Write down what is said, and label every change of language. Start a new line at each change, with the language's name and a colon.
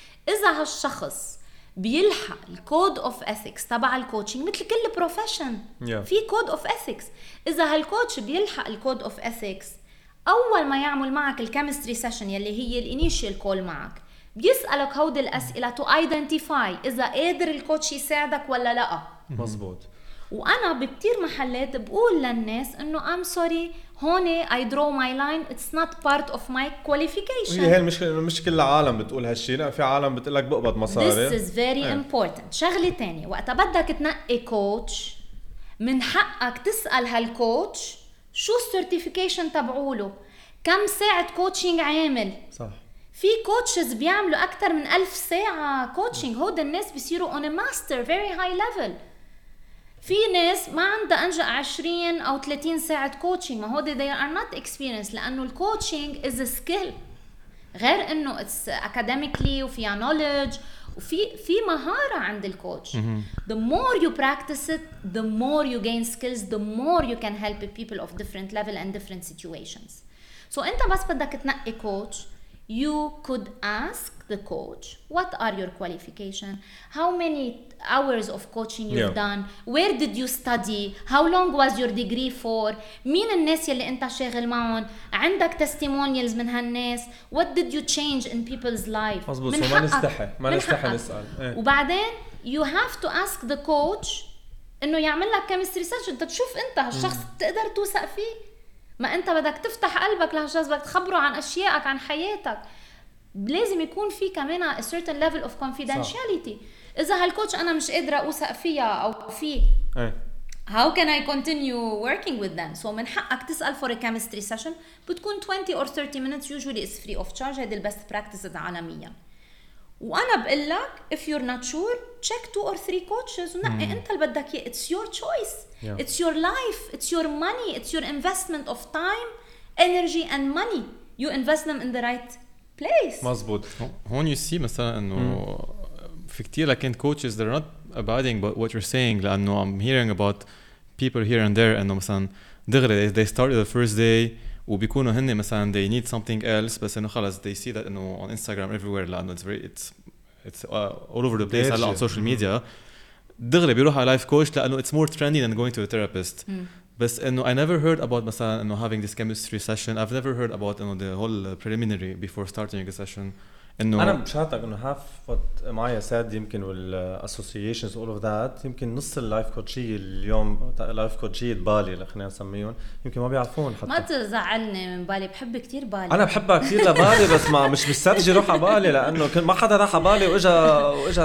Arabic: إذا هالشخص بيلحق الكود اوف ethics تبع الكوتشينج مثل كل profession.
English: Yeah.
Arabic: في كود اوف ethics. إذا هالكوتش بيلحق الكود اوف ethics, أول ما يعمل معك الكيمستري سيشن يلي هي الانيشيال كول معك, بيسألك هودي الأسئلة
English: to identify
Arabic: إذا قادر الكوتش يساعدك ولا لا. مزبوط. وأنا بكتير محلات بقول للناس إنه
English: I'm sorry,
Arabic: هون
English: I draw my line, it's not part of my qualification.
Arabic: هي المشكلة إنه مش كل العالم بتقول هالشي, لا في عالم بتقولك بقبض مصاري.
English: This is very important.
Arabic: شغلة تانية, وقت بدك تنقي كوتش من حقك تسأل هالكوتش شو السيرتيفيكيشن تبعوله, كم ساعة كوتشينج عامل. صح. في كوتشز بيعملوا أكتر من 1000 ساعة كوتشينج. هود الناس بيصيروا
English: on a master very high level.
Arabic: في ناس ما عنده أنجا 20 أو 30 ساعة كوتشينج, ما هود
English: they are not experienced
Arabic: لأنه الكوتشينج
English: is a skill.
Arabic: غير انه
English: it's academically
Arabic: وفيها knowledge وفي في مهارة عند الكوتش.
English: The more you practice it, the more you gain skills, the more you can help people of different level and different situations. So
Arabic: انت بس بدك تنقي كوتش,
English: you could ask the coach, what are your qualifications? How many hours of coaching you've done? Where did you study? How long was your degree for?
Arabic: مين الناس يلي انت شاغل معهم؟ عندك testimonials من هالناس؟
English: What did you change in people's life?
Arabic: مزبوط. ما نستحي. ما نستحي نسأل. إيه. وبعدين
English: you have to ask the coach
Arabic: انه يعمل لك
English: chemistry research.
Arabic: انت تشوف انت هالشخص تقدر توثق فيه؟ ما انت بدك تفتح قلبك لهالشخص, بدك تخبره عن اشيائك, عن حياتك. لازم يكون في كمان
English: a certain level of confidentiality.
Arabic: اذا هالكوتش انا مش قادره اوثق فيها او فيه,
English: how can I continue working with them? So
Arabic: من حقك تسال
English: for a chemistry session,
Arabic: بتكون
English: 20 or 30 minutes, usually is free of charge.
Arabic: هيدي البست practices عالميا. وانا بقول لك
English: if you're not sure, check 2 or 3 coaches.
Arabic: ونقي انت اللي بدك اياه.
English: It's your choice. Yeah. It's your life, it's your money, it's your investment of time, energy and money. You invest them in the right place.
Arabic: مزبوط. هون
English: you see
Arabic: مثلا انه في كتير
English: like in coaches they're not abiding by what you're saying. لانه I'm hearing about people here and there,
Arabic: انه مثلا دغري
English: they started the first day
Arabic: وبيكونوا هن مثلا
English: they need something else,
Arabic: بس انه خلاص
English: they see that انه on Instagram everywhere, لانه it's all over the place on social media.
Arabic: دغري بيروح على
English: life coach
Arabic: لأنه
English: it's more trendy than going to a therapist.
Arabic: بس إنه
English: I never heard about
Arabic: مثلا إنه
English: having this chemistry session. I've never heard about إنه the whole preliminary before starting a session.
Arabic: إنه أنا بشاطك إنه
English: half what Maya said,
Arabic: يمكن وال
English: associations all of that,
Arabic: يمكن نص ال life coachي اليوم life coachي بالي اللي خلينا نسميهن يمكن ما بيعرفون حتى. ما تزعلني من بالي, بحب كتير بالي. أنا بحبها كتير لبالي, بس ما مش بالسرج يروح على بالي لأنه ما حدا راح على بالي وإجا